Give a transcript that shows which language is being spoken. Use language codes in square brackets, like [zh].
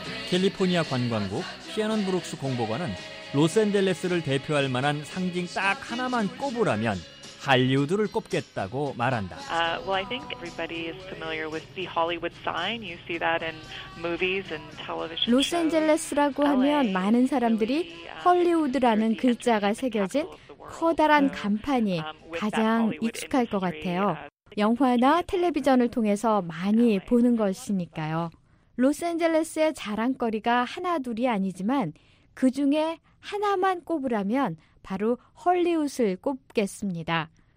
[ko] 캘리포니아 관광국 셰넌 브룩스 공보관은 로스앤젤레스를 대표할 만한 상징 딱 하나만 꼽으라면 할리우드를 꼽겠다고 말한다. [en] I think everybody is familiar with the Hollywood sign. You see that in movies and television shows. [ko] 로스앤젤레스라고 하면 많은 사람들이 할리우드라는 글자가 새겨진 커다란 간판이 가장 익숙할 것 같아요. 영화나 텔레비전을 통해서 많이 보는 것이니까요. 로스앤젤레스의 자랑거리가 하나 둘이 아니지만 그 중에 하나만 꼽으라면 바로 헐리우드를 꼽겠습니다.